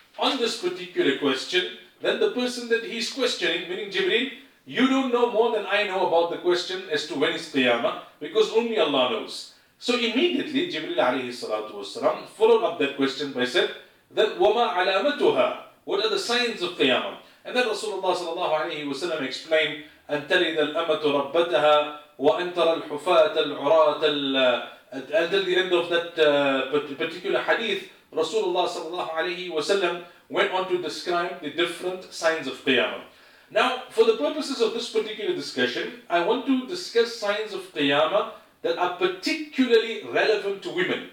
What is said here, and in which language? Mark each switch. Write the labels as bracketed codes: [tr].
[en] on this particular question than the person that he's questioning, meaning Jibreel, you don't know more than I know about the question as to when is Qiyamah, because only Allah knows. So immediately Jibreel alayhi salatu wasalam followed up that question by said, then [ar] وَمَا عَلَامَتُهَا, [en] what are the signs of Qiyamah? And then Rasulullah sallallahu alayhi wasalam explained, [ar] أَن تَلِدَ الْأَمَةُ رَبَّتَهَا وَأَن تَرَى الْحُفَاةَ الْعُرَاةَ. [en] Until the end of that particular hadith, Rasulullah sallallahu alayhi wasalam went on to describe the different signs of Qiyamah. Now, for the purposes of this particular discussion, I want to discuss signs of Qiyamah that are particularly relevant to women.